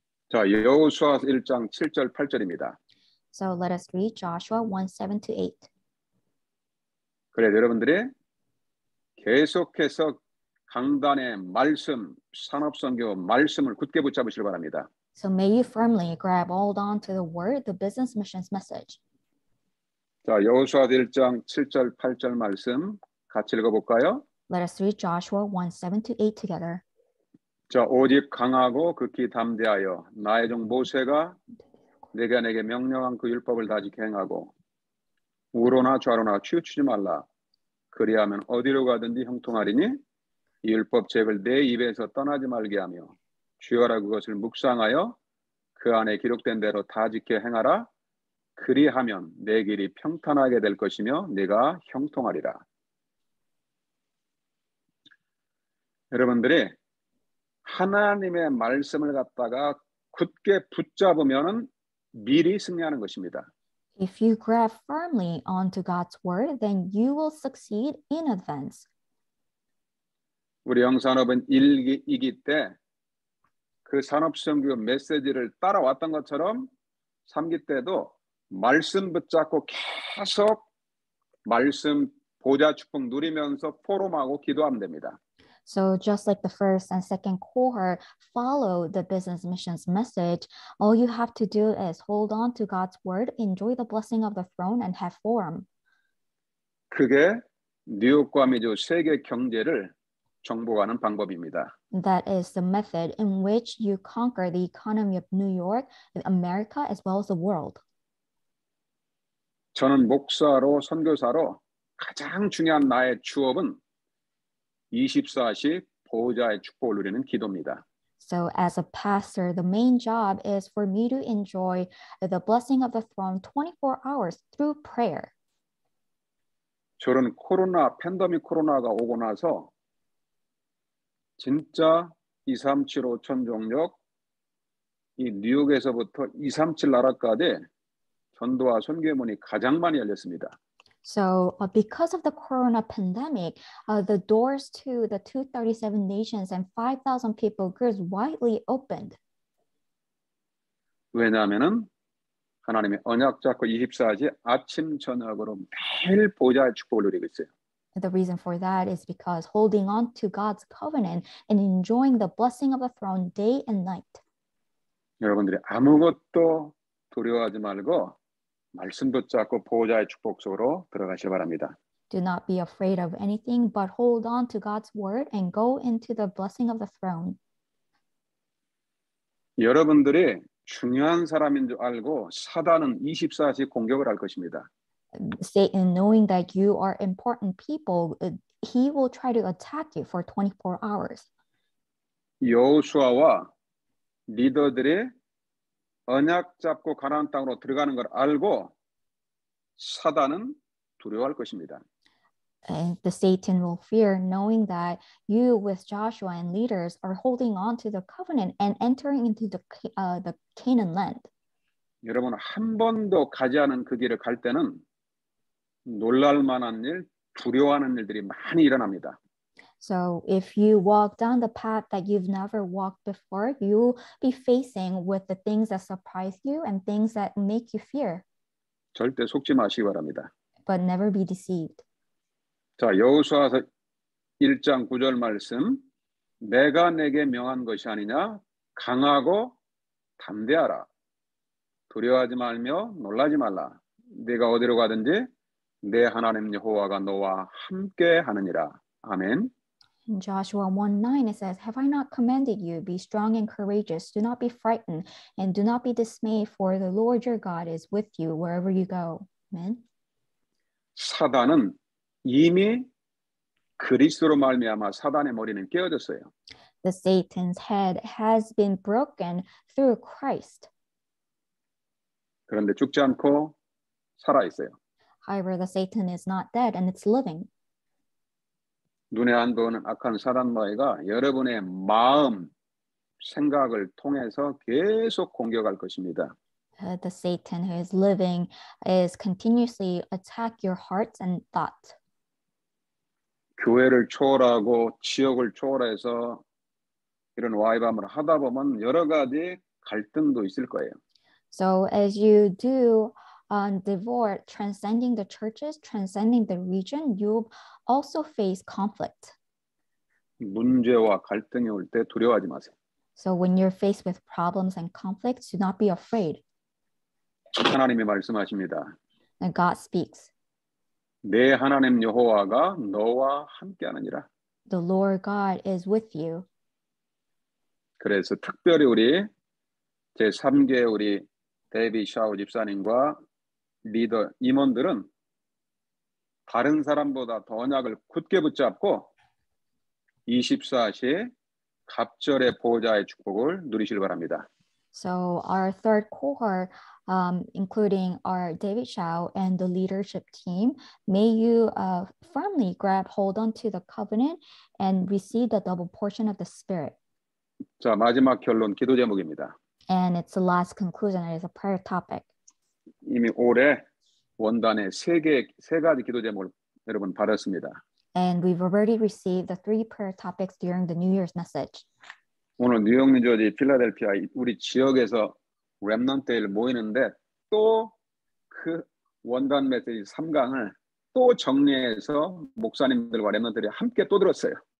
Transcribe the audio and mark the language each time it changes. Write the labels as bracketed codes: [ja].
[ko] 자, 여호수아 1장 7절 8절입니다. [en] So let us read Joshua 1:7-8. [ko] 그래 여러분들이 계속해서 강단의 말씀, 산업선교 말씀을 굳게 붙잡으시길 바랍니다. [en] So may you firmly grab hold on to the word, the business missions message. [ko] 자, 여호수아 1장 7절 8절 말씀 같이 읽어 볼까요? [en] Let us read Joshua 1:7-8 together. [ko] 자, 오직 강하고 극히 담대하여 나의 종 모세가 내게 명령한 그 율법을 다 지켜 행하고 우로나 좌로나 치우치지 말라. 그리하면 어디로 가든지 형통하리니 이 율법 책을 내 입에서 떠나지 말게 하며 주여라 그것을 묵상하여 그 안에 기록된 대로 다 지켜 행하라. 그리하면 내 길이 평탄하게 될 것이며 내가 형통하리라. 여러분들이 하나님의 말씀을 갖다가 굳게 붙잡으면은 미리 승리하는 것입니다. [en] If you grab firmly onto God's word, then you will succeed in advance. [ko] 우리 영산업은 1기 때 그 산업선교 메시지를 따라왔던 것처럼 3기 때도 말씀 붙잡고 계속 말씀 보좌 축복 누리면서 포럼하고 기도하면 됩니다. [en] So just like the first and second cohort follow the business mission's message, all you have to do is hold on to God's word, enjoy the blessing of the throne, and have forum. [ko] 그게 뉴욕과 미주 세계 경제를 정복하는 방법입니다. [en] That is the method in which you conquer the economy of New York, America, as well as the world. [ko] 저는 목사로, 선교사로 가장 중요한 나의 주업은 24시 보좌의 축복을 누리는 기도입니다. [en] So as a pastor, the main job is for me to enjoy the blessing of the throne 24 hours through prayer. [ko] 저는 코로나, 팬데믹 코로나가 오고 나서 진짜 237 5천 종족 이 뉴욕에서부터 237 나라까지 전도와 선교의 문이 가장 많이 열렸습니다. [en] So because of the corona pandemic, the doors to the 237 nations and 5,000 people groups widely opened. [ko] 왜냐하면은 하나님의 언약 잡고 24시 아침 저녁으로 매일 보좌의 축복을 누리고 있어요. [en] The reason for that is because holding on to God's covenant and enjoying the blessing of the throne day and night. [ko] 여러분들이 아무것도 두려워하지 말고 말씀 붙잡고 보좌의 축복 속으로 들어가시기 바랍니다. [en] Do not be afraid of anything, but hold on to God's word and go into the blessing of the throne. [ko] 여러분들이 중요한 사람인 줄 알고 사단은 24시 공격을 할 것입니다. [en] Satan, knowing that you are important people, he will try to attack you for 24 hours. [ko] 여호수아와 리더들의 언약 잡고 가나안 땅으로 들어가는 걸 알고 사단은 두려워할 것입니다. [en] And the Satan will fear knowing that you with Joshua and leaders are holding on to the covenant and entering into the Canaan land. [ko] 여러분 한 번도 가지 않은 그 길을 갈 때는 놀랄 만한 일, 두려워하는 일들이 많이 일어납니다. [en] So if you walk down the path that you've never walked before, you'll be facing with the things that surprise you and things that make you fear. [ko] 절대 속지 마시기 바랍니다. [en] But never be deceived. [ko] 자, 여호수아서 1장 9절 말씀. 내가 내게 명한 것이 아니냐? 강하고 담대하라. 두려워하지 말며 놀라지 말라. 네가 어디로 가든지 내 하나님 여호와가 너와 함께 하느니라. 아멘. [en] In Joshua 1:9 it says, Have I not commanded you? Be strong and courageous. Do not be frightened and do not be dismayed, for the Lord your God is with you wherever you go. Amen. [ko] 사단은 이미 그리스도로 말미암아 사단의 머리는 깨어졌어요. [en] The Satan's head has been broken through Christ. [ko] 그런데 죽지 않고 살아 있어요. [en] However, the Satan is not dead and it's living. [ko] 눈에 안 보이는 악한 사단 마귀가 여러분의 마음, 생각을 통해서 계속 공격할 것입니다. [en] The Satan who is living is continuously attack your hearts and thoughts. [ko] 교회를 초월하고 지역을 초월해서 이런 YBAWM을 하다 보면 여러 가지 갈등도 있을 거예요. [en] So as you do devote transcending the churches, transcending the region, you also face conflict. [ko] 문제와 갈등이 올 때 두려워하지 마세요. [en] So when you're faced with problems and conflicts, do not be afraid. [ko] 하나님이 말씀하십니다. [en] And God speaks. [ko] 내 하나님 여호와가 너와 함께하느니라. [en] The Lord God is with you. [ko] 그래서 특별히 우리 제 3계 우리 데이비 샤오 집사님과 리더 임원들은 다른 사람보다 더 언약을 굳게 붙잡고 24시 갑절의 보호자의 축복을 누리실 바랍니다. [en] So our third cohort, including our David Shao and the leadership team, may you firmly grab hold onto the covenant and receive the double portion of the Spirit. [ko] 자, 마지막 결론 기도 제목입니다. [en] And it's the last conclusion. It is a prayer topic. [ko] 이미 올해 원단에 세 가지 기도 제목을 여러분 받았습니다. [en] And we've already received the three prayer topics during the New Year's message. [ko] 오늘 뉴욕, 뉴저지, 필라델피아 우리 지역에서 렘넌트일 모이는데 또 그 원단 메시지 3강을 또 정리해서 목사님들과 렘넌트들이 함께 또 들었어요.